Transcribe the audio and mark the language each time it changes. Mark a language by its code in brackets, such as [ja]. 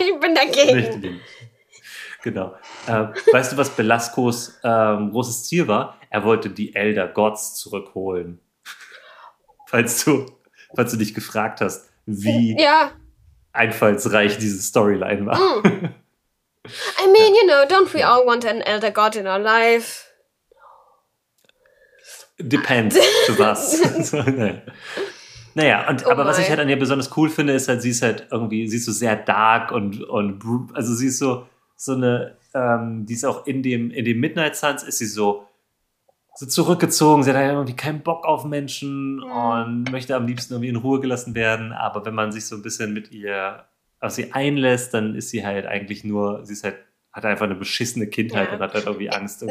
[de] Ich bin dagegen. Genau. Weißt du, was Belascos großes Ziel war? Er wollte die Elder Gods zurückholen. Falls du dich gefragt hast, wie ja. einfallsreich diese Storyline war. [en] Mm. I mean, ja. you know, don't we all want an Elder God in our life? Depends, [de] für was. Naja, und, aber was ich halt an ihr besonders cool finde, ist halt, sie ist halt irgendwie, sie ist so sehr dark und also sie ist so eine, die ist auch in dem Midnight Suns, ist sie so zurückgezogen, sie hat irgendwie keinen Bock auf Menschen und möchte am liebsten irgendwie in Ruhe gelassen werden, aber wenn man sich so ein bisschen mit ihr auf sie einlässt, dann ist sie halt eigentlich nur, sie ist halt, hat einfach eine beschissene Kindheit ja. und hat halt irgendwie Angst.